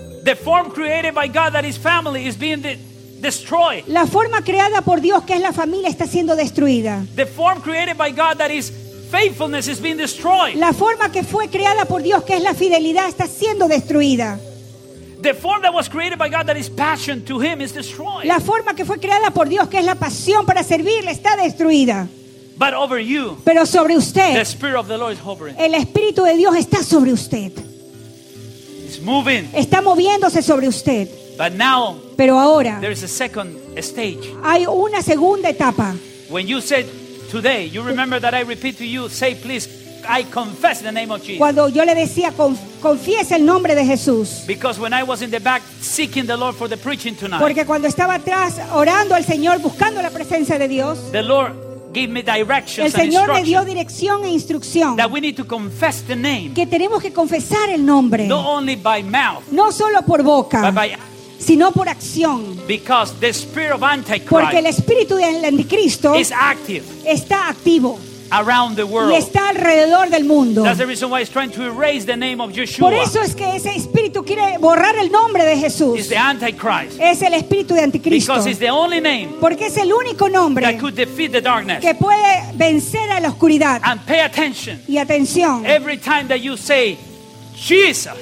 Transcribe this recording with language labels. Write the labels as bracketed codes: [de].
[en] The form created by God that is family is being destroyed. [es] La forma creada por Dios que es la familia está siendo destruida. [en] The form created by God that is faithfulness is being destroyed. [es] La forma que fue creada por Dios que es la fidelidad está siendo destruida. [en] The form that was created by God that is passion to him is destroyed. [es] La forma que fue creada por Dios que es la pasión para servirle está destruida. [en] But over you. [es] Pero sobre usted. [en] The spirit of the Lord is hovering. [es] El espíritu de Dios está sobre usted. [en] It's moving. [es] Está moviéndose sobre usted. [en] But now, [es] pero ahora, [en] there is a second stage. [es] Hay una segunda etapa. [en] When you said today, you remember that I repeat to you, say please, I confess the name of Jesus. [es] Cuando yo le decía confiese el nombre de Jesús. [en] Because when I was in the back seeking the Lord for the preaching tonight. [es] Porque cuando estaba atrás orando al Señor buscando la presencia de Dios. [en] The Lord gave me directions. [es] El Señor me dio dirección e instrucción. [en] That we need to confess the name. [es] Que tenemos que confesar el nombre. [en] Not only by mouth. [es] No solo por boca. [en] But by [es] sino por acción. [en] Because the spirit of Antichrist. [es] Porque el espíritu del anticristo [en] is active. [es] Está activo. [en] Around the world. [es] Y está alrededor del mundo. [en] That's the reason why he's trying to erase the name of Yeshua. [es] Por eso es que ese espíritu quiere borrar el nombre de Jesús. [en] It's the Antichrist. [es] Es el espíritu de anticristo. [en] Because it's the only name. [es] Porque es el único nombre. [en] That could defeat the darkness. [es] Que puede vencer a la oscuridad. [en] And pay attention. [es] Y atención. [en] Every time that you say Jesus.